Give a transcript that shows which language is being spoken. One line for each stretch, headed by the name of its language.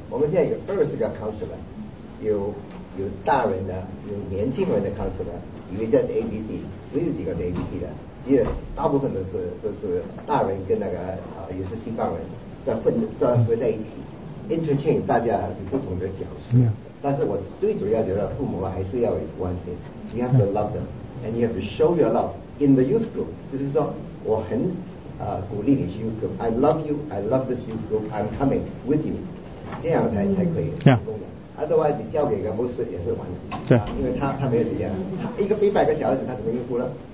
Chinese: 我们现在有二十个 counselor， 有大人的，有年轻人的 counselor， 有一些是 ABC， 只有几个是 ABC 的，其实大部分都是大人跟那个有些西方人在混在一起 interchange， 大家不同的角色。但是我最主要觉得父母还是要有关心，
English: you have to love themAnd you have to show your love in the youth group.
Chinese: 就是说，我很鼓励你去 youth group.
English: I love you. I love this youth group. I'm coming with you.
Chinese: 这样才可以。
English: Yeah. Otherwise,
Chinese: 你交给一个牧师也是完了。对、因为他没有时间，他一个一百个小孩子，他怎么应付呢？